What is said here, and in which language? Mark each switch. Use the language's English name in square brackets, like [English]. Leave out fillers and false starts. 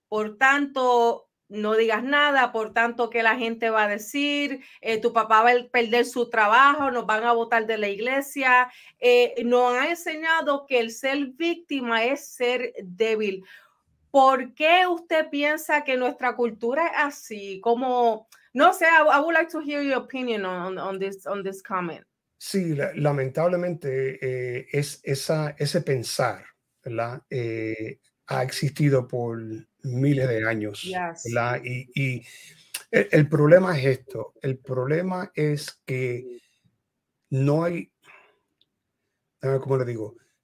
[Spanish] Por tanto, no digas nada, por tanto, ¿qué la gente va a decir? Tu papá va a perder su trabajo, nos van a botar de la iglesia. Nos han enseñado que el ser víctima es ser débil. ¿Por qué usted piensa que nuestra cultura es así? Como, no sé, [English] I would like to hear your opinion on this comment. [Spanish] Sí, lamentablemente es ese pensar, ¿verdad? Ha existido por miles de años. [English] Yes. [Spanish] Y el problema es esto. El problema es que no hay, ¿cómo le digo?